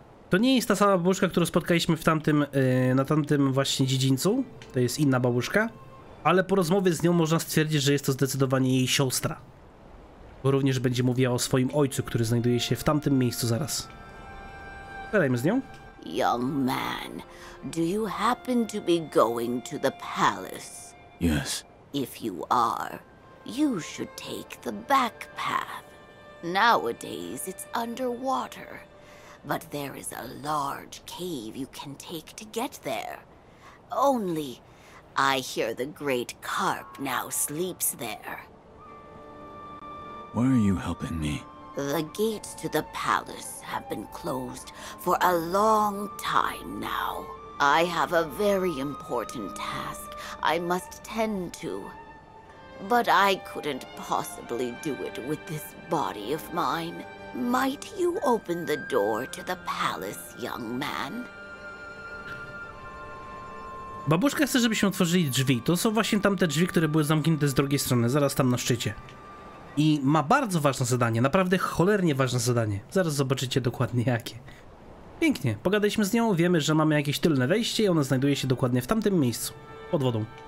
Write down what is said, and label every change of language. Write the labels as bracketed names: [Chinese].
[Polish] To nie jest ta sama babuszka, którą spotkaliśmy w tamtym, na tamtym właśnie dziedzińcu. To jest inna babuszka. Ale po rozmowie z nią można stwierdzić, że jest to zdecydowanie jej siostra. Bo również będzie mówiła o swoim ojcu, który znajduje się w tamtym miejscu zaraz. Gadajmy z nią. [English] Young man, do you happen to be going to the palace? Yes. If you are, you should take the back path. Nowadays it's underwater, but there is a large cave you can take to get there. Only, I hear the great carp now sleeps there. Why are you helping me? The gates to the palace have been closed for a long time now. I have a very important task I must tend to. But I couldn't possibly do it with this body of mine. Might you open the door to the palace, young man? [Polish] Babuszka chce, żebyśmy otworzyli drzwi. To są właśnie tamte drzwi, które były zamknięte z drugiej strony, zaraz tam na szczycie. I ma bardzo ważne zadanie, naprawdę cholernie ważne zadanie. Zaraz zobaczycie dokładnie jakie. Pięknie, pogadaliśmy z nią, wiemy, że mamy jakieś tylne wejście i ono znajduje się dokładnie w tamtym miejscu, pod wodą.